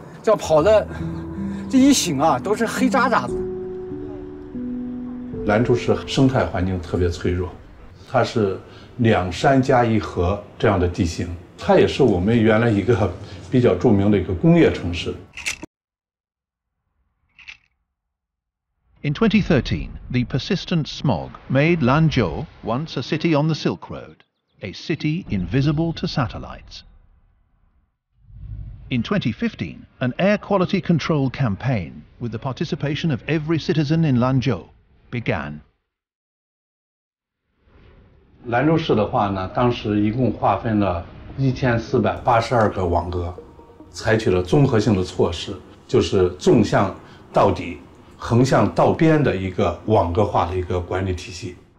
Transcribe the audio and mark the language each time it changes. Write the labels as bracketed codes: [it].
[zh] 叫跑的这一醒啊都是黑渣渣子。兰州市生态环境特别脆弱，它是两山加一河这样的地形，它也是我们原来一个比较著名的一个工业城市。 [en] In 2013, the persistent smog made Lanzhou, once a city on the Silk Road, a city invisible to satellites. In 2015, an air quality control campaign with the participation of every citizen in Lanzhou began. [zh] 兰州市的话呢，当时一共划分了1482个网格，采取了综合性的措施，就是纵向到底、横向到边的一个网格化的一个管理体系。